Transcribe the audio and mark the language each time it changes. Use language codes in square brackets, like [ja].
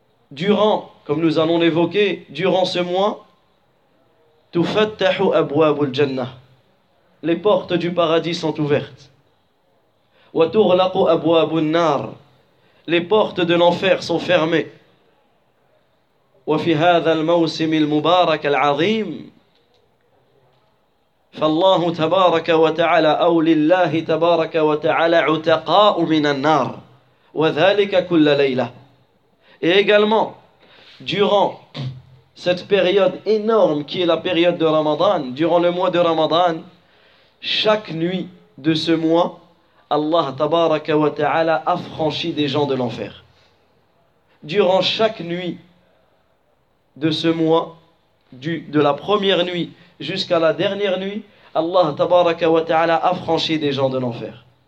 [fr] Durant, comme nous allons l'évoquer, durant ce mois, [ar] tufattahu abwabul jannah, [fr] les portes du paradis sont ouvertes. [ar] Wa tughlaqu abwabun nar, [fr] les portes de l'enfer sont fermées. [ar] Wa fi hadha al-mawsim al-mubarak al-'azim, فالله تبارك وتعالى أو لله تبارك وتعالى عتقاء من النار وذلك كل ليلة. [fr] Et également, durant cette période énorme qui est la période de Ramadan, durant le mois de Ramadan, chaque nuit de ce mois, Allah tabaraka wa ta'ala affranchit des gens de l'enfer. Durant chaque nuit de ce mois, de la première nuit jusqu'à la dernière nuit, Allah tabaraka wa ta'ala affranchit des gens de l'enfer.